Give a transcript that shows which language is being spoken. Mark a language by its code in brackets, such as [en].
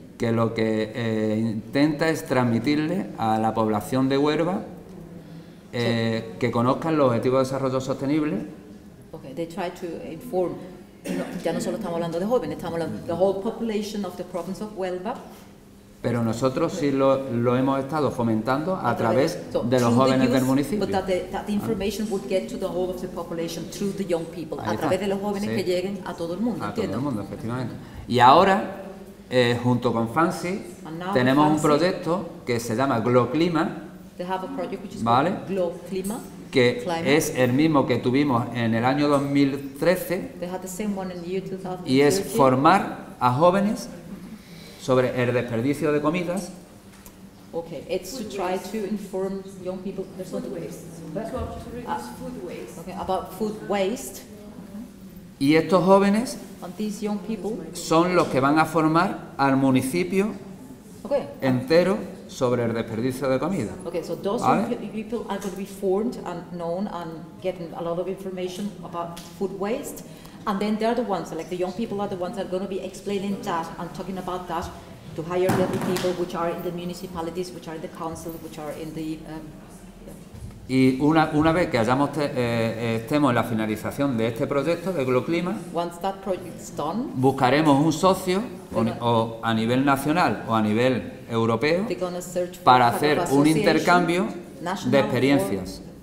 [es] Que lo que intenta es transmitirle a la población de Huelva que conozcan los objetivos de desarrollo sostenible. [en] Okay, they try to inform. [es] No, ya no solo estamos hablando de [en] jóvenes, estamos hablando de the whole population of the province of Huelva. [es] Pero nosotros sí lo hemos estado fomentando a través de los jóvenes del municipio. [en] But that the information would get to the whole of the population through the young people. [es] Ahí a través está. De los jóvenes, sí. Que lleguen a todo el mundo. A ¿entiendo? Todo el mundo, efectivamente. Y ahora, junto con Fancy, tenemos Fancy, un proyecto que se llama Gloclima. [en] They have a project which is, ¿vale? Gloclima, que climate. [es] Es el mismo que tuvimos en el año 2013. [en] They had the same one in the year 2013. [es] Y es formar a jóvenes sobre el desperdicio de comidas. [en] Okay, it's food to try waste. To inform young people. There's food waste. To reduce food waste. Okay, about food waste. [es] Y estos jóvenes, [en] and these young people, [es] son los que van a formar al municipio, [en] okay, [es] entero sobre el desperdicio de comida. [en] Okay, so those, [es] ¿vale? [en] People are going to be formed and known and getting a lot of information about food waste, and then they're the ones, like the young people are the ones that are going to be explaining that and talking about that to higher level people, which are in the municipalities, which are in the council, which are in the. [es] Y una vez que hayamos estemos en la finalización de este proyecto de Gloclima, [en] once that project's done, [es] buscaremos un socio o a nivel nacional o a nivel europeo para hacer un intercambio de experiencias.